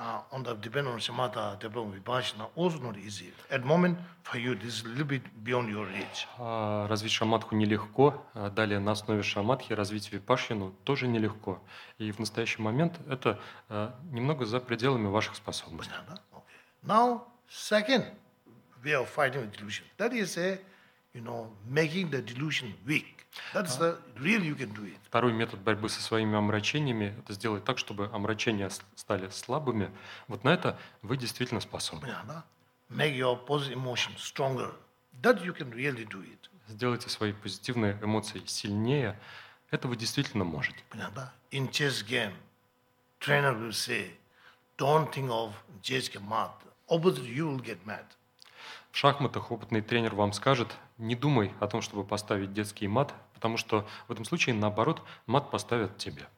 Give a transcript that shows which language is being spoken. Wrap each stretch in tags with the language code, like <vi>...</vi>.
<en>On the depend on shamatha, developing vipassana also not easy. At the moment for you this is a little bit beyond your reach.</en> <ru>Развить шамадху нелегко. Далее на основе шамадхи развить випассану тоже нелегко. И в настоящий момент это немного за пределами ваших способностей.</ru> <en>Понятно, да? Okay. Now second way of fighting with delusion. That is a, you know, making the delusion weak. That's the real you can do it.</en> <ru>Второй метод борьбы со своими омрачениями – это сделать так, чтобы омрачения стали слабыми. Вот на это вы действительно способны.</ru> <en>Yeah, right? Make your positive emotion stronger. That you can really do it.</en> <ru>Сделайте свои позитивные эмоции сильнее. Это вы действительно можете.</ru> <en>Yeah, right? In chess game, trainer will say, don't think of chess game mat. Opposite, you will get mad.</en> <ru>В шахматах опытный тренер вам скажет, не думай о том, чтобы поставить детский мат, потому что в этом случае, наоборот, мат поставят тебе.</ru>